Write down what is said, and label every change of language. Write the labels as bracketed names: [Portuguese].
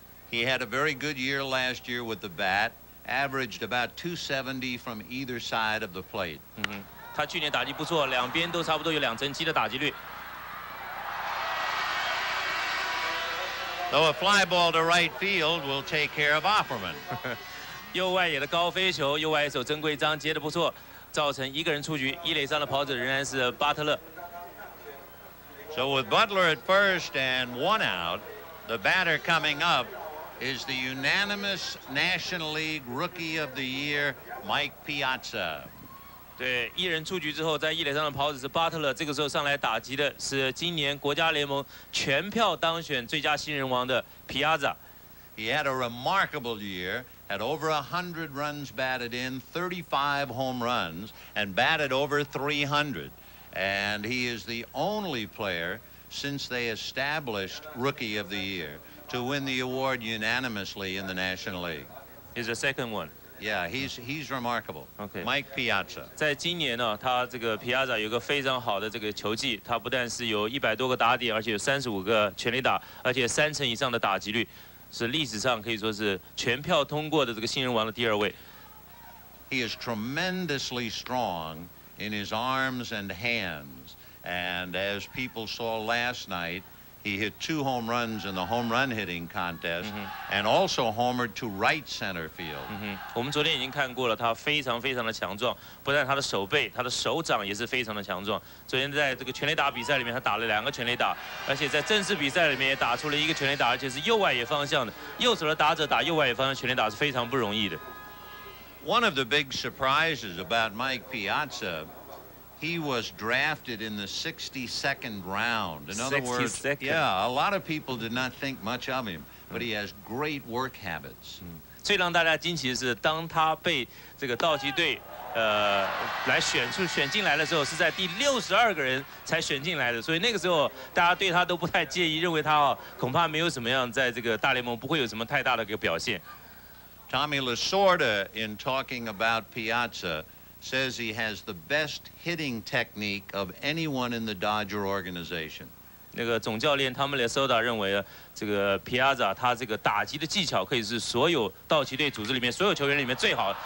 [English] He had a very good year last year with the bat, averaged about 270 from either side of the plate. [Chinese] 他去年打击不错，两边都差不多有.270的打击率。 [English] Though a fly ball to right field will take care of Offerman. [Chinese] 右外野的高飞球，右外野手曾圭章接得不错。造成一个人出局，一垒上的跑者仍然是巴特勒。 [English] So with Butler at first and one out, the batter coming up is the unanimous National League Rookie of the Year, Mike Piazza. [Chinese] 对，一人出局之后，在一垒上的跑者是巴特勒。这个时候上来打击的是今年国家联盟全票当选最佳新人王的皮亚扎。 [English] He had a remarkable year. Had over 100 runs batted in, 35 home runs, and batted over 300. And he is the only player since they established Rookie of the Year to win the award unanimously in the National League. He's the second one. Yeah, he's remarkable. Okay. Mike Piazza. [Chinese] 在今年呢，他这个 Piazza 有个非常好的这个球技，他不但是有100多个打点，而且有35个全垒打，而且三成以上的打击率。是历史上可以说是全票通过的这个新人王的第二位。 [English] He is tremendously strong in his arms and hands, and as people saw last night, he hit two home runs in the home run hitting contest, and also homered to right center field. [Chinese] 我们昨天已经看过了，他非常非常的强壮，不但他的手背，他的手掌也是非常的强壮。昨天在这个全垒打比赛里面，他打了两个全垒打，而且在正式比赛里面也打出了一个全垒打，而且是右外野方向的。右手的打者打右外野方向全垒打是非常不容易的。 [English] One of the big surprises about Mike Piazza. He was drafted in the 62nd round. In other words, yeah, a lot of people did not think much of him, but he has great work habits. [Chinese] 最让大家惊奇的是，当他被这个道奇队，来选进来的时候，是在第62个人才选进来的。所以那个时候，大家对他都不太介意，认为他恐怕没有什么样在这个大联盟不会有什么太大的一个表现。 [English] Tommy Lasorda, in talking about Piazza. Says he has the best hitting technique of anyone in the Dodger organization. [Chinese] 那个总教练 Tommy Lasorda 认为，这个 Piazza 他这个打击的技巧可以是所有道奇队组织里面所有球员里面最好。